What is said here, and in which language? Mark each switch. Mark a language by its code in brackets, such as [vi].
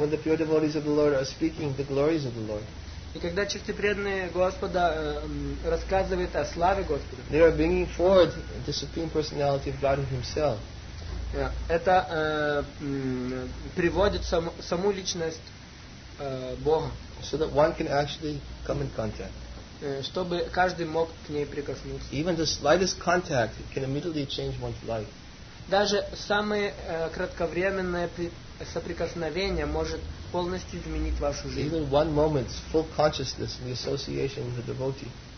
[en] And when the pure devotees of the Lord are speaking the glories of the Lord. [ru] И когда чистый преданный Господа рассказывает о славе Господа. [en] They are bringing forward the supreme personality of Godhead himself. [ru] Это приводит саму личность Бога. [en] So that one can actually come in contact. [ru] Чтобы каждый мог к ней прикоснуться. [en] Even the slightest contact can immediately change one's life. [ru] Даже самое кратковременное соприкосновение может полностью изменить вашу жизнь. [en] Even one moment's full consciousness in the association with a devotee.